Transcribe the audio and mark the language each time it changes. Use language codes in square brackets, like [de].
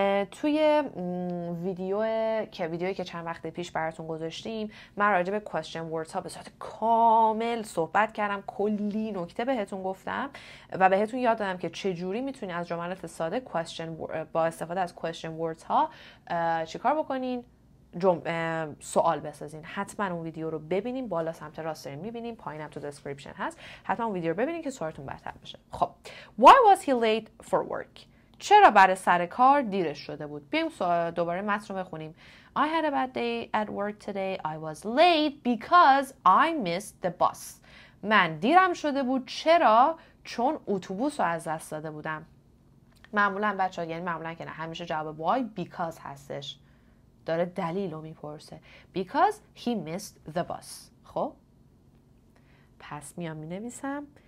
[fa] توی ویدیو که ویدیویی که چند وقت پیش براتون گذاشتیم، من راجع به question words ها به صورت کامل صحبت کردم، کلی نکته بهتون گفتم و بهتون یاد دادم که چجوری میتونین از جملات ساده question با استفاده از question words ها چیکار بکنین، سوال بسازین. حتما اون ویدیو رو ببینین، بالا سمت راست دارین میبینین، پایینم تو دسکریپشن هست، حتما اون ویدیو رو ببینین که سوالتون بهتر بشه. خب [en] why was he late for work؟ [fa] چرا برای سر کار دیرش شده بود؟ بیایم دوباره متن رو بخونیم. [en] I had a bad day at work today. I was late because I missed the bus. [fa] من دیرم شده بود. چرا؟ چون اتوبوس رو از دست داده بودم. معمولا بچه ها، یعنی معمولا که نه، همیشه جواب why because هستش. داره دلیل رو میپرسه. [en] Because he missed the bus. [fa] خب؟ پس میام مینویسم.